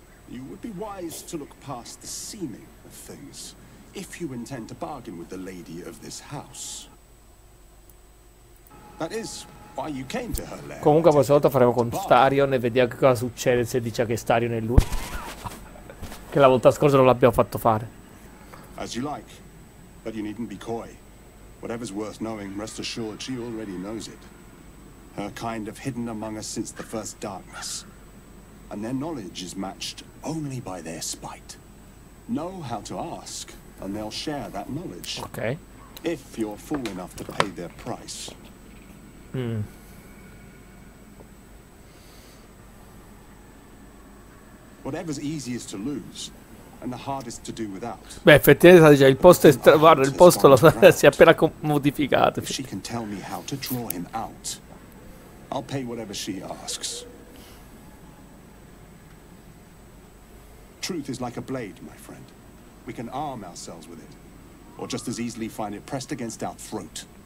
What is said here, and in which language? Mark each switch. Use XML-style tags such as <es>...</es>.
<en>You would be wise to look past the seeming of things if you intend to bargain with the lady of this house. That is.</en> <it>Comunque questa volta faremo con Starion e vediamo che cosa succede se dice che Starion è lui. Che la volta scorsa non l'abbiamo fatto fare.</it> <en>As you like, but you needn't be coy. Whatever's worth knowing, rest assured she already knows it. Her kind have hidden among us since the first darkness. And their knowledge is matched only by their spite. Know how to ask, and they'll share that knowledge. Okay. If you're fool enough to pay their price. Whatever's easiest to lose and the hardest to do without.</en> <it>Beh, effettivamente sta dicendo, il posto è guarda, il posto lo si è appena modificato.</it> <en>She can tell me how to draw him out. I'll pay whatever she asks. Truth is like a blade, my friend. We can arm ourselves with it or just as easily find it pressed against our throat.</en>